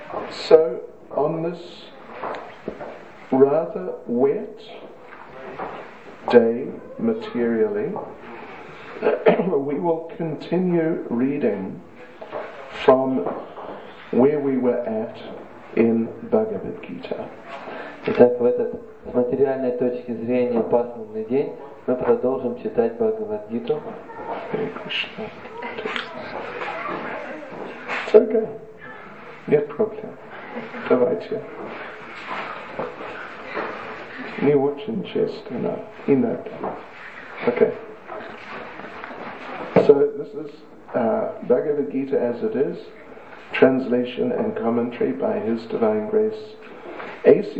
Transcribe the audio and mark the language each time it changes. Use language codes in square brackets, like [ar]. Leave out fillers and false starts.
[en] So, on this rather wet day materially, we will continue reading from where we were at in Bhagavad Gita. [ru] Итак, в этот с материальной точки зрения пасмурный день мы продолжим читать Бхагавад Гиту. [en] Hare Krishna. It's okay. [ru] Нет проблем. Давайте. Не очень честно, но иногда. [en] Okay. So this is Bhagavad Gita as it is. Translation and commentary by His Divine Grace A.C.